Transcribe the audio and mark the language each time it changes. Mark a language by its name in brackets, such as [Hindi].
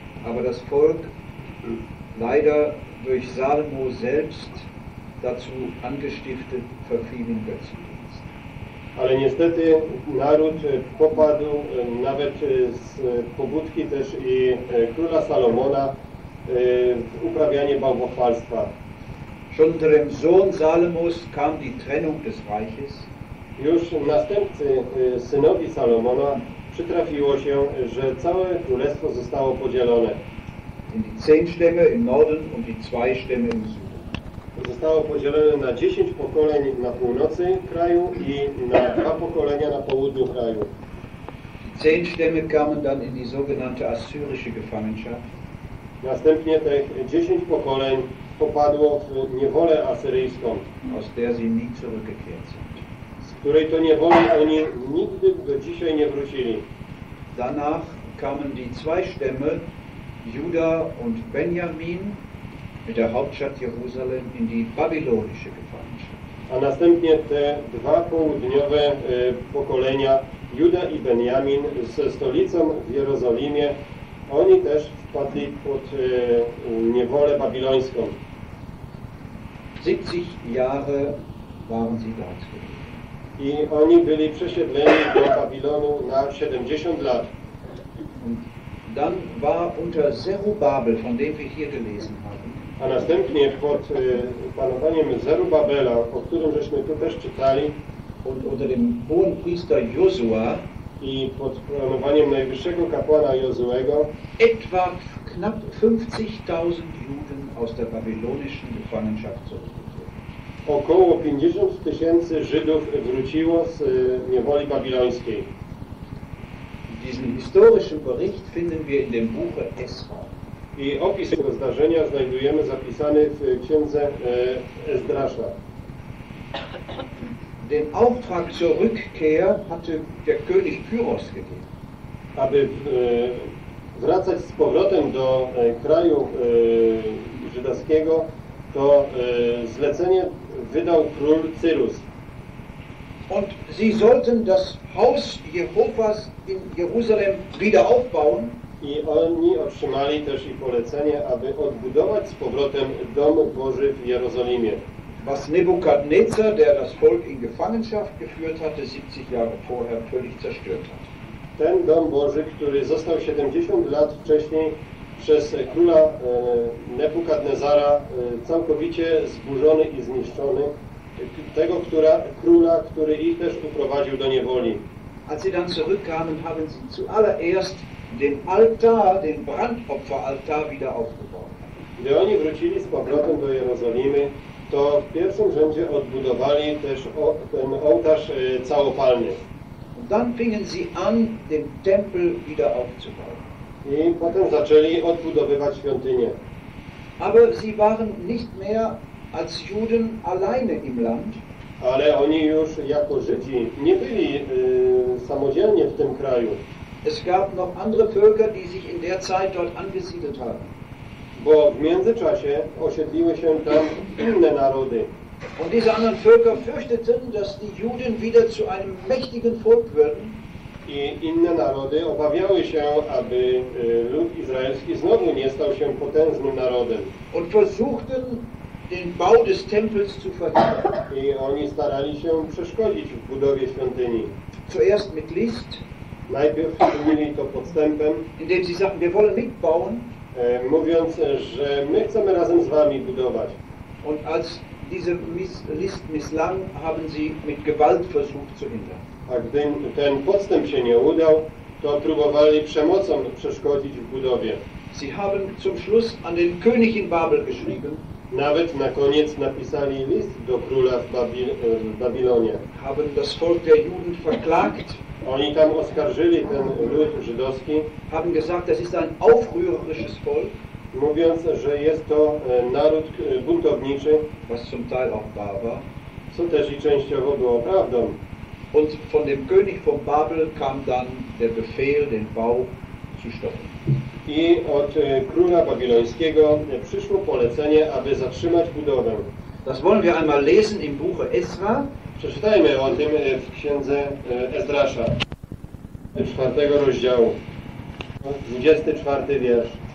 [German] Aber das Volk leider durch Salomo selbst dazu angestiftet verfiel in Götzendienst. [Polish] Ale niestety naród popadł nawet z pobudki też i króla Salomona w uprawianie bałwochwalstwa. [German] Schon unter dem Sohn Salomos kam die Trennung des Reiches. [Polish] Już następcy synowi Salomona przytrafiło się, że całe królestwo zostało podzielone. [German] in die 10 Stämme im Norden und die 2 Stämme im Süden. [Polish] Zostało podzielone na 10 pokoleń na północy kraju i na 2 pokolenia na południu kraju. [German] Die 10 Stämme kamen dann in die sogenannte assyrische Gefangenschaft. [Polish] Następnie te 10 pokoleń popadło w niewolę asyryjską, [German] aus der sie nie zurückgekehrt sind. [Polish] Z której to niewoli oni nigdy do dzisiaj nie wrócili. [German] Danach kamen die 2 Stämme, Juda und Benjamin, mit der Hauptstadt Jerusalem, in die babylonische Gefangenschaft. [Polish] A następnie te 2 południowe pokolenia, Juda i Benjamin, ze stolicą w Jerozolimie, oni też wpadli pod niewolę babilońską. [German] 70 Jahre waren sie dort. [Polish] I oni byli przesiedleni do Babilonu na 70 lat. [German] Dann war unter Zerubabel, von dem wir hier gelesen haben. [Polish] A następnie pod panowaniem Zerubabela, o którym żeśmy tu też czytali, [German] unter dem hohen Priester Josua, [Polish] i pod planowaniem najwyższego kapłana Jozuego, [German] etwa knapp 50.000 Juden aus der babylonischen Gefangenschaft zurückgekehrt. [Polish] Około 50 tysięcy Żydów wróciło z niewoli babilońskiej. [German] Diesen historischen Bericht finden wir in dem Buche Esra. [Polish] I opis tego zdarzenia znajdujemy zapisany w księdze Esdrasza. [German] Den Auftrag zur Rückkehr hatte der König Kyros gegeben. [Polish] Aby wracać z powrotem do kraju żydowskiego, to zlecenie wydał król Cyrus. [German] Und sie sollten das Haus Jehovas in Jerusalem wieder aufbauen. [Polish] I oni otrzymali też i polecenie, aby odbudować z powrotem dom Boży w Jerozolimie. [German] Was Nebukadnezar, der das Volk in Gefangenschaft geführt hatte, 70 Jahre vorher völlig zerstört hat. [Polish] Ten dom Boży, który został 70 lat wcześniej przez króla Nebukadnezara całkowicie zburzony i zniszczony, tego króla, który ich też uprowadził do niewoli. [German] Als sie dann zurückkamen, haben sie zuallererst den Altar, den Brandopferaltar wieder aufgebaut. [Polish] Gdy oni wrócili z powrotem do Jerozolimy, to w pierwszym rzędzie odbudowali też ten ołtarz całopalny. [German] Und dann fingen sie an, den Tempel wieder aufzubauen. [Polish] I potem zaczęli odbudowywać świątynię. [German] Aber sie waren nicht mehr als Juden alleine im Land. [Polish] Ale oni już jako Żydzi nie byli samodzielnie w tym kraju. [German] Es gab noch andere Völker, die sich in der Zeit dort angesiedelt haben. [Polish] Bo w międzyczasie osiedliły się tam inne narody. [German] Und diese anderen Völker fürchteten, dass die Juden wieder zu einem mächtigen Volk würden. [Polish] I inne narody obawiały się, aby lud izraelski znowu nie stał się potężnym narodem. [German] Und versuchten, den Bau des Tempels zu verhindern. [Polish] I oni starali się przeszkodzić w budowie świątyni. [German] Zuerst mit List. [Polish] Najpierw czynili to podstępem. [German] Indem sie sagten, wir wollen mitbauen. [Polish] Mówiąc, że my chcemy razem z wami budować. [German] Und als diese List misslang, haben sie mit Gewalt versucht zu hindern. [Polish] A gdy ten podstęp się nie udał, to próbowali przemocą przeszkodzić w budowie. [German] Sie haben zum Schluss an den König in Babel geschrieben. [Polish] Nawet na koniec napisali list do króla w Babilonie. [German] Haben das Volk der Juden verklagt. [Polish] Oni tam oskarżyli ten lud żydowski. [German] Haben gesagt, das ist ein aufrührerisches Volk. [Polish] Mówiąc, że jest to naród buntowniczy. [German] Was zum Teil auch wahr war. [Polish] Co też i częściowo było prawdą. [German] Und von dem König von Babel kam dann der Befehl, den Bau zu stoppen. [Polish] I od króla babilońskiego przyszło polecenie, aby zatrzymać budowę. [German] Das wollen wir einmal lesen im Buche Esra. [Polish] Przeczytajmy o tym w księdze Esdrasza, 4 rozdziału, 24 wiersz.